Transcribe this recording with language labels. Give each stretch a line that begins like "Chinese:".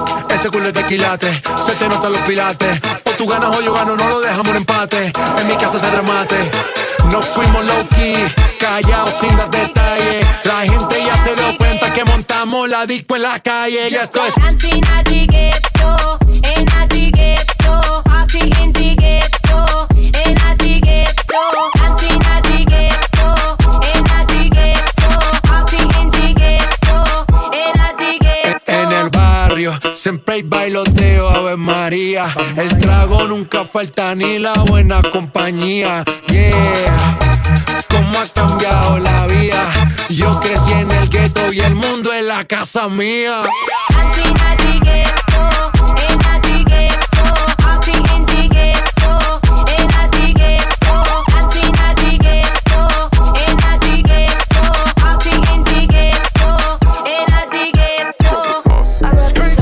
Spanish: Ese culo es de quilate, se te notan los pilates. O tú ganas o yo gano, no lo dejamos en empate. En mi casa se remate. Nos fuimos low key, callados sin dar detalles. La gente ya se dio cuenta que montamos la disco en la calle. Y esto es
English: Dancing at the ghetto, in at the ghetto. Party in the ghetto, in at the ghetto. Dancing at the ghetto, in at the ghetto. Party in the ghetto, in at the ghetto.
Spanish: En el barrio siempre hay bailoteo, Ave María. El trago nunca falta ni la buena compañía. Yeah, cómo ha cambiado la vida. Yo crecí en el gueto y el mundo es la casa mía.
English: Dancing at the ghetto, in at the ghetto. Party in the ghetto, in at the ghetto. Dancing at the ghetto, in at the ghetto. Party in the ghetto, in at the ghetto.